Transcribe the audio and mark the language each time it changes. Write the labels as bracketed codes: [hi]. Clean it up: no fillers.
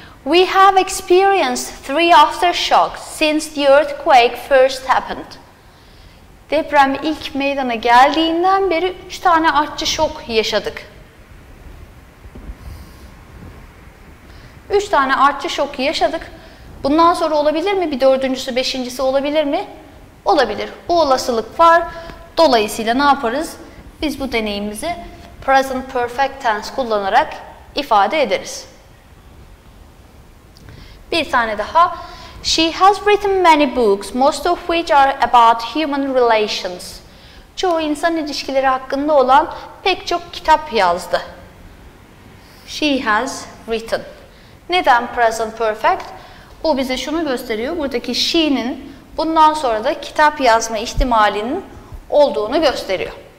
[en] We have experienced three aftershocks since the earthquake first happened. [tr] Deprem ilk meydana geldiğinden beri 3 tane artçı şok yaşadık. 3 tane artçı şok yaşadık. Bundan sonra olabilir mi? Bir dördüncüsü, beşincisi olabilir mi? Olabilir. Bu olasılık var. Dolayısıyla ne yaparız? Biz bu deneyimimizi present perfect tense kullanarak ifade ederiz. Bir tane daha. [en] She has written many books, most of which are about human relations. [tr] Çoğu insan ilişkileri hakkında olan pek çok kitap yazdı. [en] She has written. [tr] Neden present perfect? Bu bize şunu gösteriyor. Buradaki she'nin bundan sonra da kitap yazma ihtimalinin olduğunu gösteriyor.